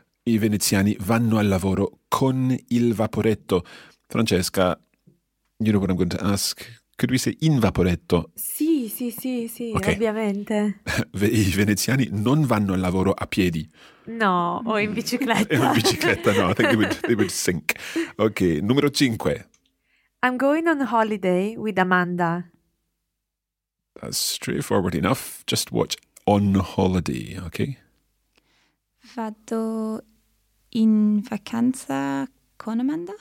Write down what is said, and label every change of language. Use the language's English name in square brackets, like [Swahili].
[Italian] I Veneziani vanno al lavoro con il vaporetto. [English] Francesca, you know what I'm going to ask? Could we say [Italian] in vaporetto? Sì, sì, sì, sì, okay. Ovviamente. I Veneziani non vanno al lavoro a piedi. No, o in bicicletta. In bicicletta, [English] no, I think they would sink. Okay, [Italian] numero 5. [English] I'm going on holiday with Amanda. That's straightforward enough. Just watch on holiday, okay? [Italian] Vado in vacanza con Amanda.